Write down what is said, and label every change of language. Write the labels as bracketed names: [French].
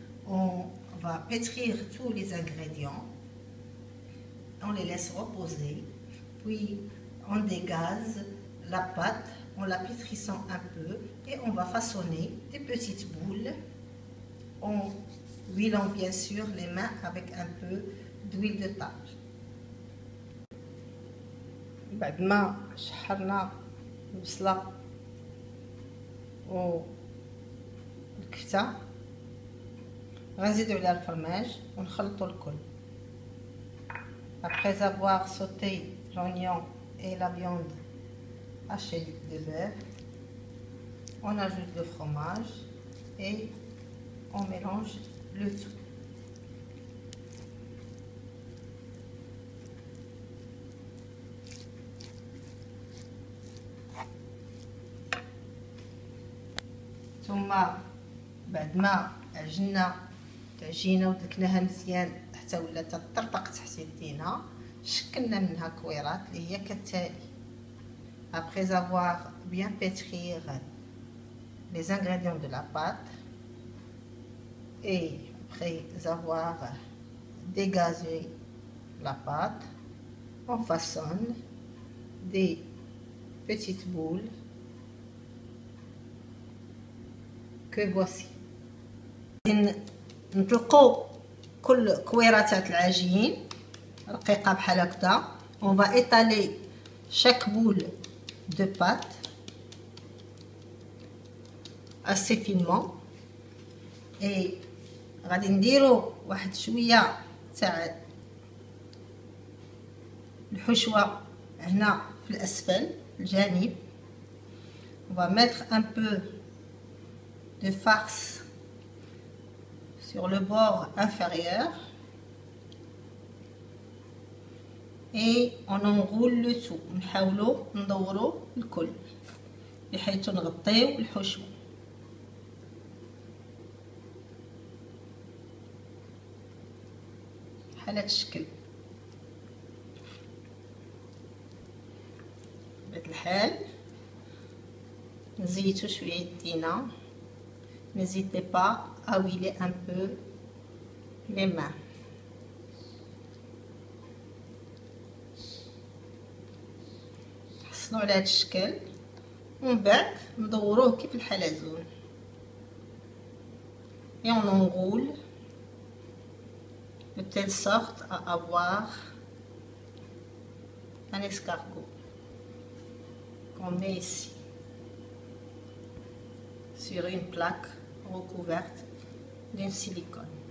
[French] On va pétrir tous les ingrédients. On les laisse reposer. Puis on dégaze la pâte en la pétrissant un peu et on va façonner des petites boules en huilant bien sûr les mains avec un peu d'huile de tarte. [Arabic] بعدما شحرنا البصلة و الكفتة غنزيدو عليها الفرماج ونخلطو الكل. [French] Après avoir sauté l'oignon et la viande hachée de bœuf, on ajoute le fromage et on mélange le tout. [Arabic] ثم بعد ما عجنا تعجينا ودكناها مزيان حتى ولات تطرطق تحت يدينا شكلنا منها كويرات اللي هي كالتالي. [French] Après avoir bien pétri les ingrédients de la pâte et après avoir dégazé la pâte, on façonne des petites boules que voici. [Arabic] نطلقوا كل كويرات تاع العجين رقيقة بحال هكدا. [French] On va étaler chaque boule de pâte assez finement et [Arabic] غادي نديرو واحد شوية تاع الحشوة هنا في الأسفل الجانب. [French] On va mettre un peu de farce sur le bord inférieur et on enroule le tout. [Arabic] نحاولو ندورو الكل بحيث نغطيو الحشو. حالة الشكل بهذا الحال نزيتو شويه يدينا. [French] N'hésitez pas à huiler un peu les mains. [Arabic] حصلوا على هاد الشكل ومن بعد ندوروه كيف الحلزون [French] et on enroule de telle sorte à avoir un escargot qu'on met ici sur une plaque recouverte d'un silicone.